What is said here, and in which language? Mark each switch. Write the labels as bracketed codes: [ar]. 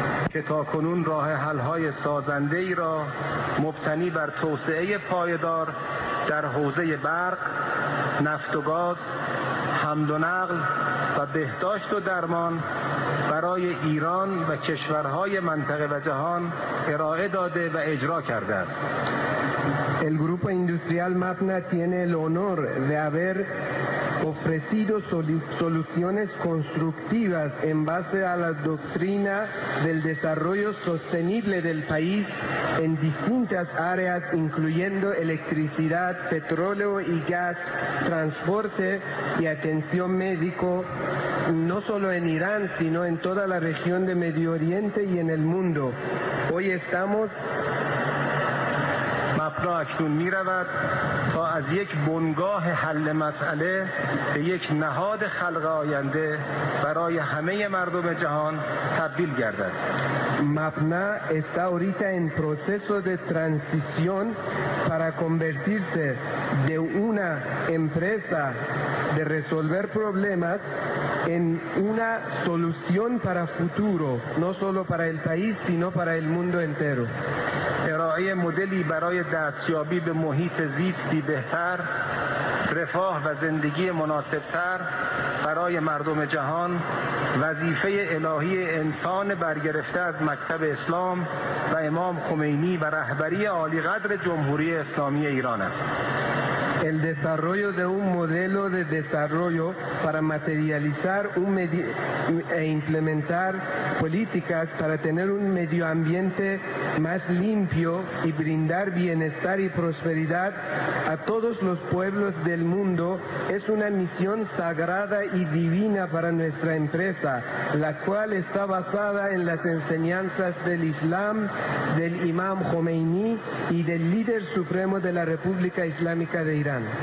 [fa] که تا کنون راه حل‌های سازنده‌ای را مبتنی بر توسعه پایدار در حوزه برق، نفت و گاز، حمل و نقل و بهداشت و درمان برای ایران و کشورهای منطقه و جهان ارائه داده و اجرا کرده است. [es] El grupo industrial Mapna tiene el honor de haber ofrecido soluciones constructivas en base a la doctrina del desarrollo sostenible del país en distintas áreas, incluyendo electricidad, petróleo y gas, transporte y atención médico, no solo en Irán, sino en toda la región de Medio Oriente y en el mundo. Hoy estamos... [fa] اکنون می رود تا از یک بنگاه حل مسئله به یک نهاد خلق آینده برای همه مردم جهان تبدیل گردد. [es] مپنا está ahorita en proceso de transición para convertirse de una empresa de resolver problemas en una solución para futuro, no solo para el país, sino para el mundo entero. [fa] ارائه مدلی برای دستیابی به محیط زیستی بهتر، رفاه و زندگی مناسبتر برای مردم جهان، وظیفه الهی انسان برگرفته از مکتب اسلام و امام خمینی و رهبری عالی قدر جمهوری اسلامی ایران است. [es] El desarrollo de un modelo de desarrollo para materializar un e implementar políticas para tener un medio ambiente más limpio y brindar bienestar y prosperidad a todos los pueblos del mundo es una misión sagrada y divina para nuestra empresa, la cual está basada en las enseñanzas del Islam, del Imam Khomeini y del líder supremo de la República Islámica de Irán.